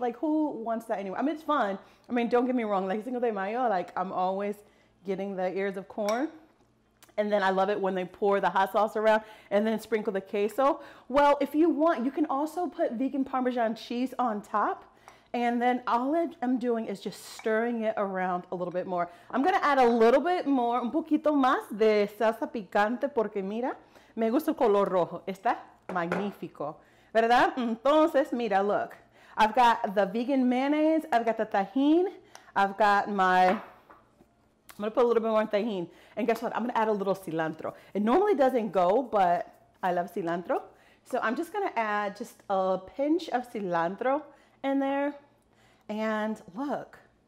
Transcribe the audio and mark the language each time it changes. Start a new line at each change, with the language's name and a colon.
English: Like who wants that anyway? I mean, it's fun. I mean, don't get me wrong. Like Cinco de Mayo, like I'm always getting the ears of corn. And then I love it when they pour the hot sauce around and then sprinkle the queso. Well, if you want, you can also put vegan Parmesan cheese on top. And then all I'm doing is just stirring it around a little bit more. I'm gonna add a little bit more,
Spanish: un poquito más de salsa picante, porque mira, me gusta el color rojo. Está magnífico, ¿verdad? Entonces, mira, look.
English: I've got the vegan mayonnaise, I've got the tajin, I've got my, I'm gonna put a little bit more tajin. And guess what, I'm gonna add a little cilantro. It normally doesn't go, but I love cilantro. So I'm just gonna add just a pinch of cilantro in there. And look,